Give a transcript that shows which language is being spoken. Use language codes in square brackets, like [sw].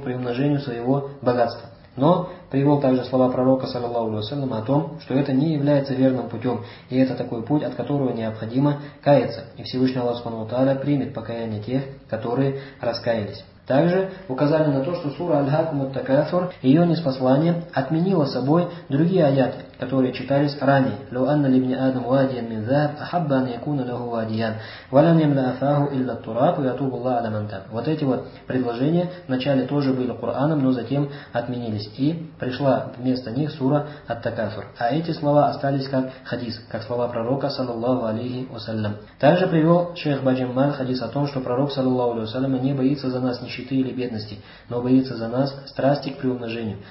[ru] К приумножению своего богатства. Но привел также слова пророка, саллаллаху алейхи ва саллям, о том, что это не является верным путем, и это такой путь, от которого необходимо каяться. И Всевышний Аллах Субхану ва Тааля примет покаяние тех, которые раскаялись. Также указали на то, что сура Аль-Хакум Ат-Такасур, ее ниспослание, отменило собой другие аяты, которые читались ранее. [ar] لو أن لابن آدم واديا من ذهب أحب أن يكون له واديا ولن يملأ أفاه إلا التراب ويتوب الله على من تاب. [ru] Вот эти вот предложения вначале тоже были Кораном, но затем отменились и пришла вместо них сура Ат-Такасур. А эти слова остались как хадис, как слова пророка саллаллаху алейхи ва саллям. Также привел шейх Баджамаль хадис о том, что пророк саллаллаху алейхи ва саллям не боится за нас нищеты или бедности, но боится за нас страсти к приумножению.